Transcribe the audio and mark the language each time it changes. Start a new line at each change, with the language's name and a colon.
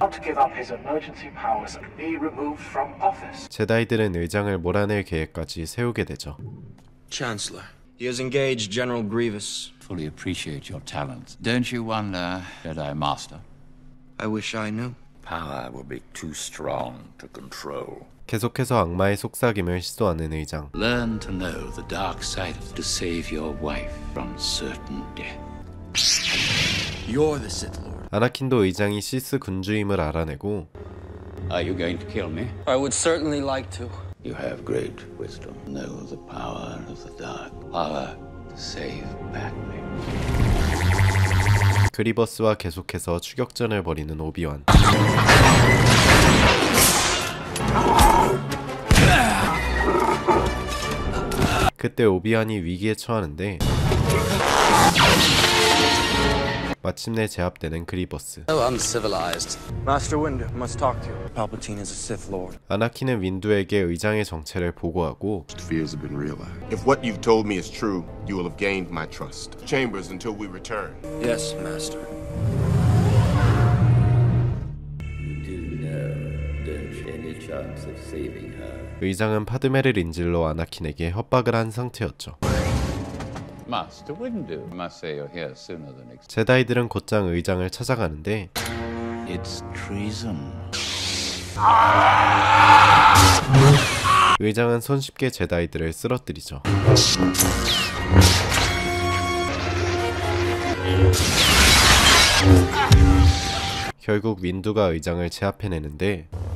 English: Not to give up his emergency powers and be removed from office.
Korean: 제다이들은 의장을 몰아낼 계획까지 세우게 되죠.
English: Chancellor. He has engaged General Grievous. Fully appreciate your talents. Don't you wonder, Jedi Master? I wish I knew. Power will be too strong to control.
Korean: 계속해서 악마의 속삭임을 시도하는 의장.
English: Learn to know the dark side to save your wife from certain death. You're the Sith Lord.
Korean: 아나킨도 의장이 시스 군주임을 알아내고
English: Are you going to kill me? I would certainly like to. You have great wisdom. Know the power of the dark. Power to save Padme.
Korean: 그리버스와 계속해서 추격전을 벌이는 오비완. 그때 오비완이 위기에 처하는데 마침내 제압되는 그리버스.
English: So uncivilized. Master Windu must talk to you. Palpatine is a Sith Lord.
Korean: 아나킨은 윈두에게 의장의 정체를 보고하고
English: Fears have been realized. If what you've told me is true, you will have gained my trust. Chambers until we return. Yes, Master. You do know there's any chance of saving her.
Korean: 의장은 파드메를 인질로 아나킨에게 협박을 한 상태였죠.
English: Master Windu, I must say you're here sooner than expected.
Korean: 제다이들은 곧장 의장을 찾아가는데
English: It's treason.
Korean: 의장은 손쉽게 제다이들을 쓰러뜨리죠. (웃음) 결국 윈두가 의장을 제압해내는데